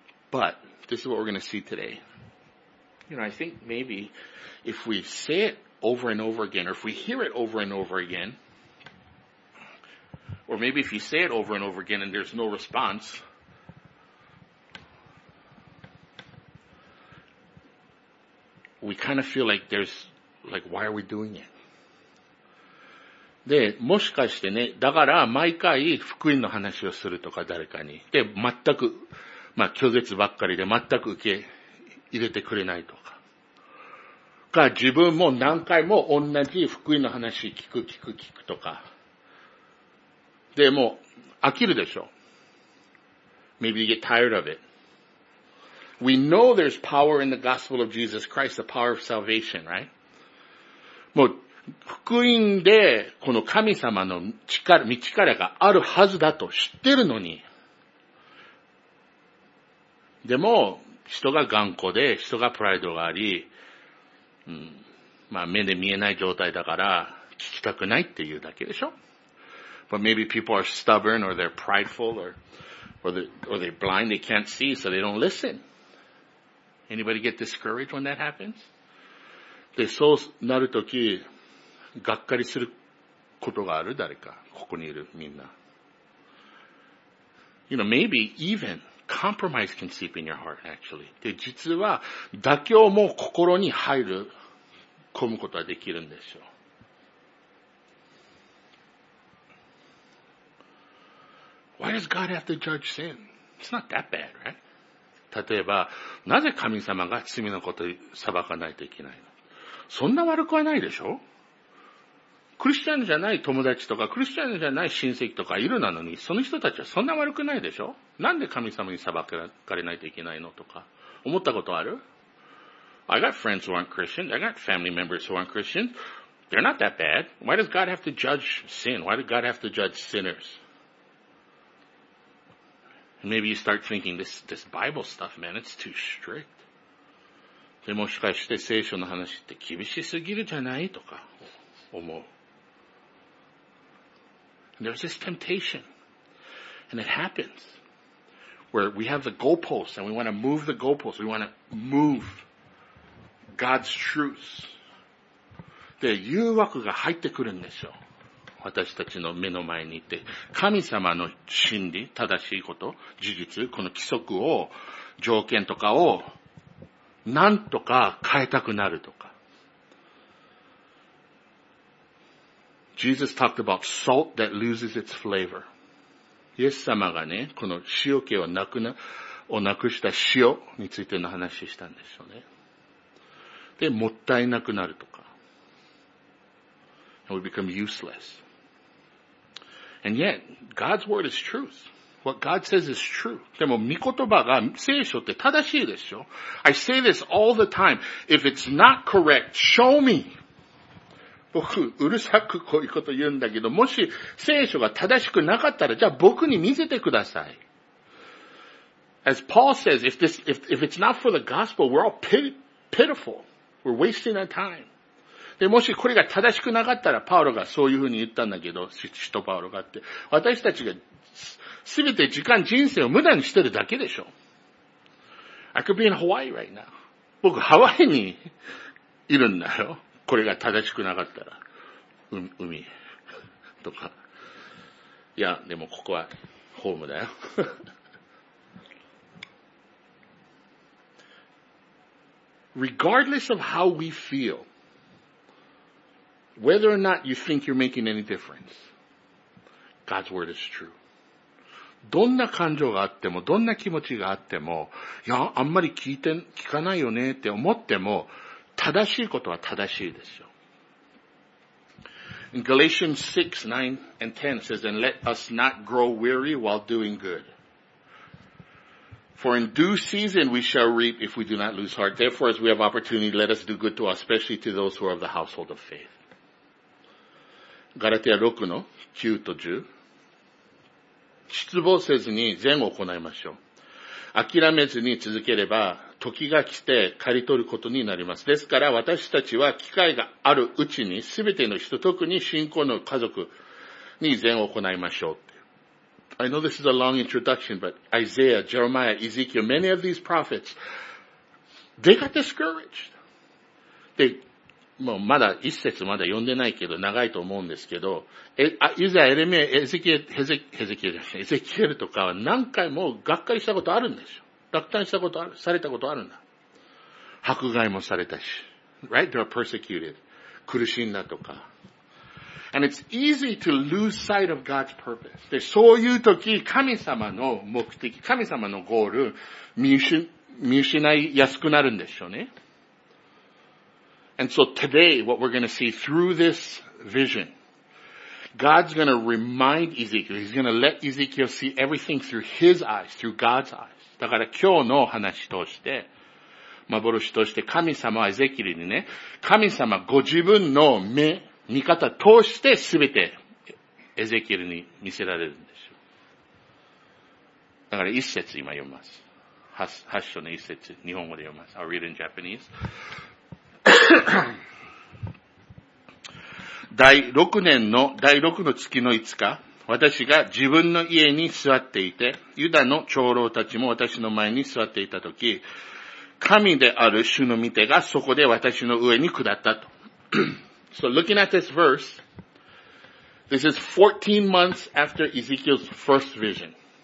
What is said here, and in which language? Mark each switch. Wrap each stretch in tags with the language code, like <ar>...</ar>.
<en>But, this is what we're going to see today. You know, I think maybe if we say it over and over again, or if we hear it over and over again, or maybe if you say it over and over again and there's no response, we kind of feel like there's, like, why are we doing it?</en> <ja>で、もしかしてね、だから毎回福音の話をするとか誰かに。で、全く、まあ拒絶ばっかりで全く受け入れてくれないとか。か、自分も何回も同じ福音の話聞くとか。で、もう飽きるでしょ。</ja> <en>Maybe you get tired of it. We know there's power in the gospel of Jesus Christ, the power of salvation, right?</en> <ja>もう福音でこの神様の力、道力があるはずだと知ってるのに、でも人が頑固で人がプライドがあり、うん、まあ目で見えない状態だから聞きたくないっていうだけでしょ。</ja> <en>But maybe people are stubborn or they're prideful or they're blind, they can't see, so they don't listen. Anybody get discouraged when that happens?</en> <ja>で、そうなるとき、がっかりすることがある誰か、ここにいるみんな。</ja> <en>You know, maybe even compromise can seep in your heart, actually.</en> <ja>で、実は、妥協も心に入る、込むことはできるんですよ。</ja> <en>Why does God have to judge sin? It's not that bad, right?</en> <ja>例えば、なぜ神様が罪のことを裁かないといけないの？そんな悪くはないでしょ？クリスチャンじゃない友達とか、クリスチャンじゃない親戚とかいるなのに、その人たちはそんな悪くないでしょ？なんで神様に裁かれないといけないのとか、思ったことある？</ja> <en>I got friends who aren't Christians. I got family members who aren't Christians. They're not that bad. Why does God have to judge sin? Why does God have to judge sinners? Maybe you start thinking, this Bible stuff, man, it's too strict.</en> <ja>でもしかして聖書の話って厳しすぎるじゃないとか、思う。</ja> <en>There's this temptation, and it happens, where we have the goalposts, and we want to move the goalposts, we want to move God's truths.</en> <ja>で、誘惑が入ってくるんですよ。私たちの目の前にいて、神様の真理、正しいこと、事実、この規則を、条件とかを、なんとか変えたくなるとか。</ja> <en>Jesus talked about salt that loses its flavor.</en> <ja>イエス様がね、この塩気をなくした塩についての話したんですよね。で、もったいなくなるとか。</ja> <en>And we become useless. And yet, God's word is truth. What God says is true.</en> <ja>でも、御言葉が聖書って正しいでしょ。</ja> <en>I say this all the time. If it's not correct, show me.</en> <ja>僕、うるさくこういうこと言うんだけど、もし聖書が正しくなかったら、じゃあ僕に見せてください。</ja> <en>As Paul says, if it's not for the gospel, we're all pitiful. We're wasting our time.</en> <ja>で、もしこれが正しくなかったら、パウロがそういうふうに言ったんだけど、使徒パウロがって、私たちがすべて時間、人生を無駄にしてるだけでしょ。</ja> <en>I could be in Hawaii right now.</en> <ja>僕、ハワイにいるんだよ。これが正しくなかったら。海とか。いや、でもここはホームだよ。</ja> <en>Regardless of how we feel, whether or not you think you're making any difference, God's word is true.</en> <ja>どんな感情があっても、どんな気持ちがあっても、いや、あんまり聞かないよねって思っても、正しいことは正しいですよ。</ja> <en>In Galatians 6, 9 and 10 says, And let us not grow weary while doing good. For in due season we shall reap if we do not lose heart. Therefore, as we have opportunity, let us do good to us, especially to those who are of the household of faith.</en> <ja>ガラテヤ6の9と10。失望せずに善を行いましょう。諦めずに続ければ、時が来て刈り取ることになります。ですから私たちは機会があるうちに、すべての人、特に信仰の家族に善を行いましょう。</ja> <en>I know this is a long introduction, but Isaiah, Jeremiah, Ezekiel, many of these prophets, they got discouraged. They,</en> <ja>もうまだ一節まだ読んでないけど、長いと思うんですけど、イザエレミエ、エゼキエル、エゼキエルとかは何回もがっかりしたことあるんですよ。落胆したことある、されたことあるんだ。迫害もされたし。</ja> <en>Right? They were persecuted.</en> <ja>苦しんだとか。</ja> <en>And it's easy to lose sight of God's purpose.</en> <ja>で、そういう時、神様の目的、神様のゴール、見失いやすくなるんでしょうね。</ja> <en>And so today, what we're going to see through this vision, God's going to remind Ezekiel, He's going to let Ezekiel see everything through His eyes, through God's eyes.</en> <ja>だから今日の話として、幻として神様はエゼキエルにね、神様ご自分の目、見方を通してすべてエゼキエルに見せられるんですよ。だから一節今読みます。八章の一節、日本語で読みます。</ja> <en>I'll read in Japanese.</en> <ja>第六の月の5日、私が自分の家に座っていて、ユダの長老たちも私の前に座っていたとき、神である主の御手がそこで私の上に下ったと。</ja> <en>So looking at this verse, this is 14 months after Ezekiel's first vision.</en>